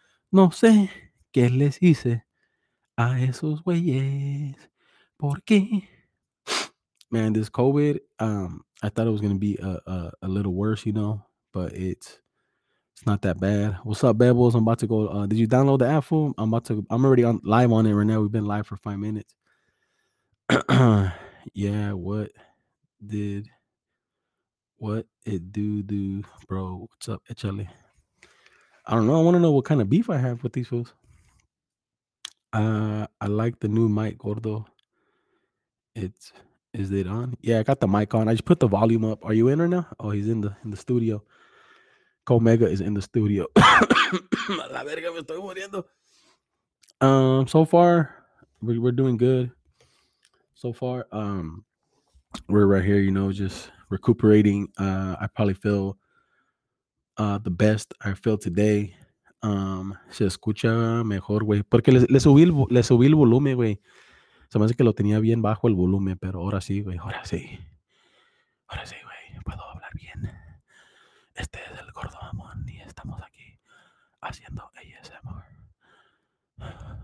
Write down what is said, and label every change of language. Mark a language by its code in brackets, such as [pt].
[es] No sé qué les hice a esos güeyes. ¿Por qué? [en] Man, this COVID, I thought it was going to be a little worse, you know, but it's Not that bad. What's up, Bebbles? I'm about to go. Did you download the app, fool? I'm already on live on it right now. We've been live for 5 minutes. Yeah, what it do, bro? What's up, Echale? I don't know. I want to know what kind of beef I have with these fools. I like the new mic, Gordo. Is it on? Yeah, I got the mic on. I just put the volume up. Are you in right now? Oh, he's in the studio. Komega is in the studio. [es] La verga, me estoy muriendo. [en] So far, we're doing good. So far, we're right here, you know, just recuperating. I probably feel the best I feel today. [es] Se escucha mejor, güey. Porque le subí el volumen, güey. Se me hace que lo tenía bien bajo el volumen, pero ahora sí, güey. Ahora sí, güey. Puedo hablar bien. Este es el Gordo Amon y estamos aquí haciendo ASMR.